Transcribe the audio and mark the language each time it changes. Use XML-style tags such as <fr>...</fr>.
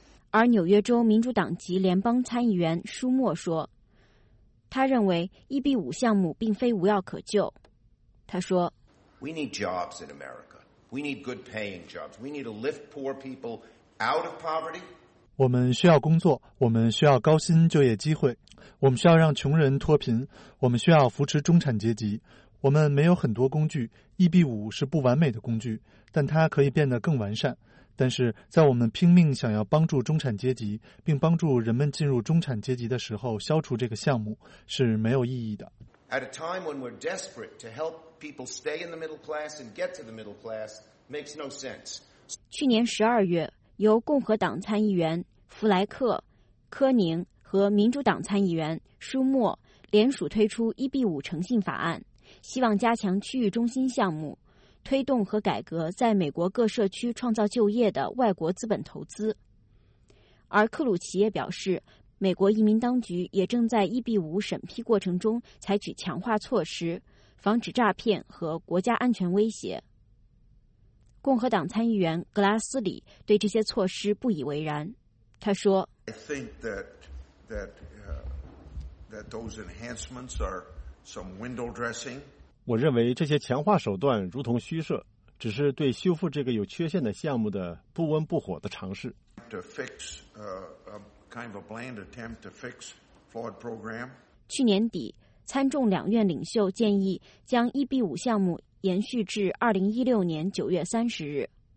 <zh>而纽约州民主党籍联邦参议员舒默说，他认为 EB5 项目并非无药可救。他说，</zh> <en>We need jobs in America. We need good paying jobs. We need to lift poor people out of poverty.</en> <zh>我们需要工作，我们需要高薪就业机会。我们需要让穷人脱贫，我们需要扶持中产阶级。我们没有很多工具， EB5 是不完美的工具，但它可以变得更完善。但是在我们拼命想要帮助中产阶级并帮助人们进入中产阶级的时候，消除这个项目是没有意义的。</zh> <en>At a time when we're desperate to help people stay in the middle class and get to the middle class makes no sense.</en> <zh>去年12月，由共和党参议员弗莱克·科宁和民主党参议员舒默联署推出 EB5 诚信法案，希望加强区域中心项目，推动和改革在美国各社区创造就业的外国资本投资。而克鲁奇也表示，美国移民当局也正在 EB5 审批过程中采取强化措施，防止诈骗和国家安全威胁。共和党参议员格拉斯里对这些措施不以为然，他说，</zh> <en>I think that those enhancements are some window dressing.</en> <zh>我认为这些强化手段如同虚设，只是对修复这个有缺陷的项目的不温不火的尝试。</zh> <en>To fix a kind of a bland attempt to fix flawed program.</en> <zh>去年底，参众两院领袖建议将 EB5 项目延续至2016年9月30日。</zh>